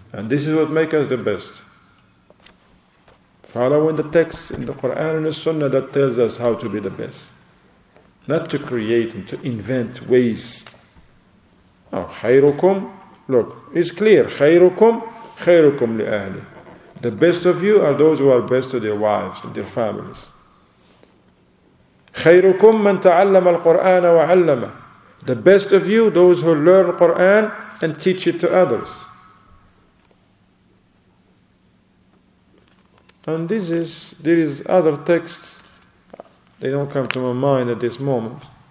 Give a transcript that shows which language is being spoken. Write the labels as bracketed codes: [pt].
[en] And this is what makes us the best. Following the text in the Quran and the Sunnah that tells us how to be the best. Not to create and to invent ways. Oh, khayrukum. Look, it's clear. Khayrukum. [ar] Khayrukum li ahli. [en] The best of you are those who are best to their wives and their families. [ar] خيركم من تعلم القرآن وعلمه. [en] The best of you, those who learn Quran and teach it to others. And there is other texts. They don't come to my mind at this moment.